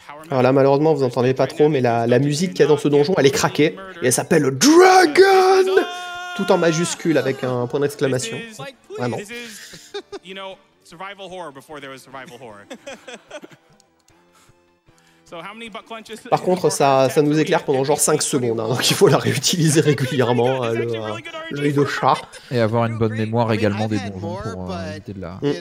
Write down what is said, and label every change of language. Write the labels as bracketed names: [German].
[French] Alors là, malheureusement, vous n'entendez pas trop, mais la musique qu'il y a dans ce donjon, elle est craquée et elle s'appelle Dragon! Tout en majuscule avec un point d'exclamation. Vraiment. [English] You know, survival horror before there was survival horror. So how many butt clenches? [French] Par contre, ça nous éclaire pendant genre 5 secondes, hein, donc il faut la réutiliser régulièrement, l'œil de chat. Et avoir une bonne mémoire également des donjons pour éviter de la...